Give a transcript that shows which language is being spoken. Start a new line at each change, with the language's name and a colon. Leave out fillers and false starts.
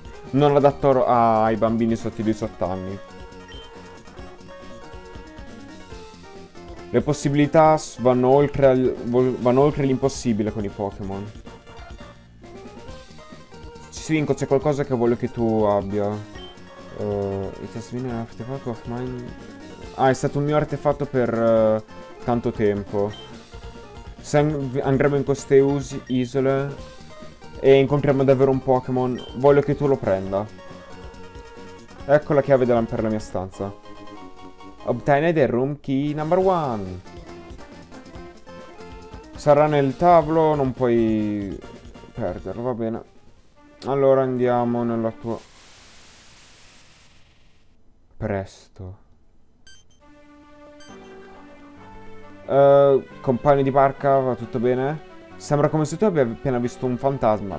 Italian: Non adatto ai bambini sotto i 18 anni. Le possibilità vanno oltre l'impossibile con i Pokémon. Sfinco, c'è qualcosa che voglio che tu abbia.
English: It has been an artifact of mine.
Italian: Ah, è stato un mio artefatto per tanto tempo. Se andremo in queste isole e incontriamo davvero un Pokémon, voglio che tu lo prenda. Ecco la chiave per la mia stanza.
English: Obtained room key number one.
Italian: Sarà nel tavolo, non puoi perderlo, va bene. Allora andiamo nella tua... Presto. Compagno di barca, va tutto bene? Sembra come se tu abbia appena visto un fantasma.